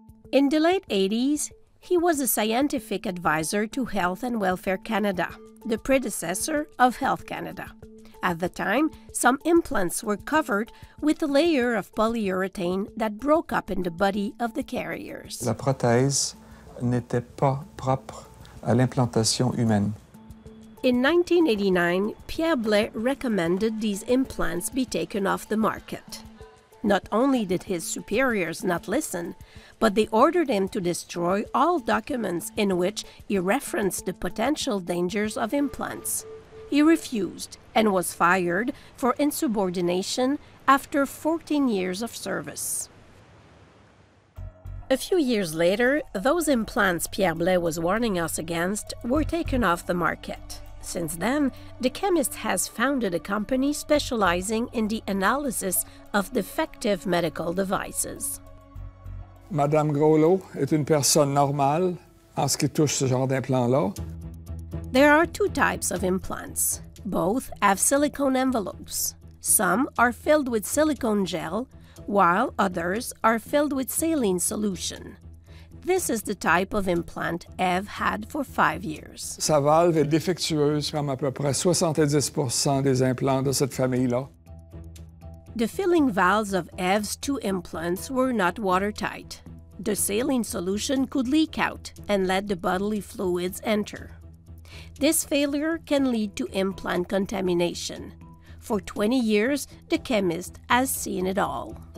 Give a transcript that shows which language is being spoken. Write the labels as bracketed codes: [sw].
[en] In the late 80s, he was a scientific advisor to Health and Welfare Canada, the predecessor of Health Canada. At the time, some implants were covered with a layer of polyurethane that broke up in the body of the carriers. [fr] La prothèse n'était pas propre à l'implantation humaine. [en] In 1989, Pierre Blais recommended these implants be taken off the market. Not only did his superiors not listen, but they ordered him to destroy all documents in which he referenced the potential dangers of implants. He refused and was fired for insubordination after 14 years of service. A few years later, those implants Pierre Blais was warning us against were taken off the market. Since then, the chemist has founded a company specializing in the analysis of defective medical devices. [fr] Madame Grolo est une personne normale en ce qui touche ce genre d'implant-là. [en] There are two types of implants. Both have silicone envelopes. Some are filled with silicone gel, while others are filled with saline solution. This is the type of implant Eve had for 5 years. [fr] Sa valve est défectueuse comme à peu près 70% des implants de cette famille-là. [en] The filling valves of Eve's two implants were not watertight. The saline solution could leak out and let the bodily fluids enter. This failure can lead to implant contamination. For 20 years, the chemist has seen it all.